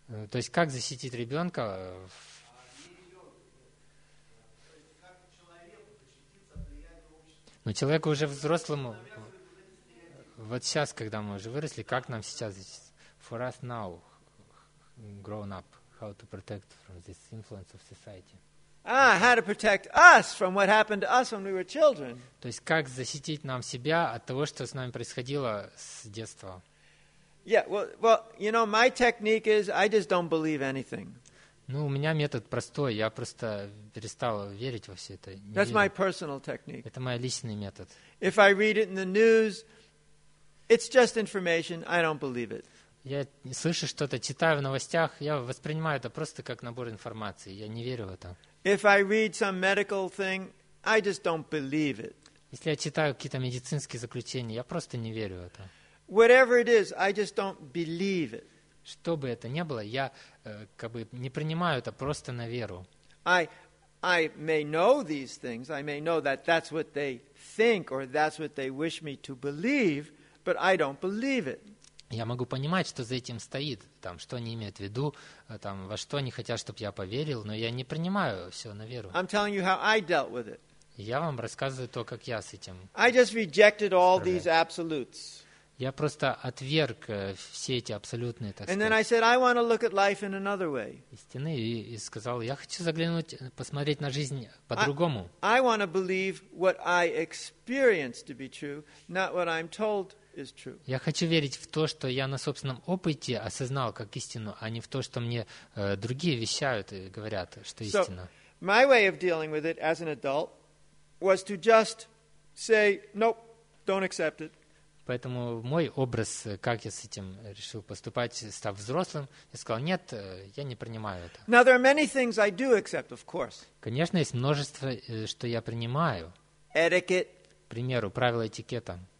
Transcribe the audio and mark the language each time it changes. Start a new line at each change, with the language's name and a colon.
Russian: То есть как защитить ребенка? Ну, человеку уже взрослому. Вот сейчас, когда мы уже выросли, как нам сейчас защитить?
English: For us now. Grown up, how to protect from this influence of society. Ah, how to protect us from what happened to us when we were children.
Russian: То есть как защитить нам себя от того, что с нами происходило с детства?
English: Yeah, well, you know, my technique is I just don't believe anything.
Russian: Ну, у меня метод простой, я просто перестал верить во все это.
English: That's my personal technique.
Russian: Это мой личный метод.
English: If I read it in the news, it's just information, I don't believe it.
Russian: Я слышу что-то, читаю в новостях, я воспринимаю это просто как набор информации, я не верю в это.
English: If I read some medical thing, I just don't believe it.
Russian: Если я читаю какие-то медицинские заключения, я просто не верю в это.
English: Whatever it is, I just don't believe it.
Russian: Что бы это ни было, я как бы не принимаю это просто на веру.
English: I may know these things, I may know that that's what they think or that's what they wish me to believe, but I don't believe it.
Russian: Я могу понимать, что за этим стоит, там, что они имеют в виду, там, во что они хотят, чтобы я поверил, но я не принимаю все на веру.
English: I'm telling you how I dealt with it.
Russian: Я вам рассказываю то, как я с этим.
English: I just rejected all these absolutes.
Russian: Я просто отверг все эти абсолютные, так
English: And
Russian: сказать.
English: Then I said, I want to look at life in another way.
Russian: Истины и сказал, я хочу заглянуть, посмотреть на жизнь по-другому.
English: I want to believe what I experience to be true, not what I'm told.
Russian: Я хочу верить в то, что я на собственном опыте осознал как истину, а не в то, что мне другие вещают и говорят, что истина.
English: My way of dealing with it as an adult was to just say, nope, don't accept it.
Russian: Поэтому мой образ, как я с этим решил поступать, став взрослым, я сказал, нет, я не принимаю это.
English: Now there are many things I do accept, of course.
Russian: Конечно, есть множество, что я принимаю.
English: Etiquette.
Russian: К примеру, правила этикета.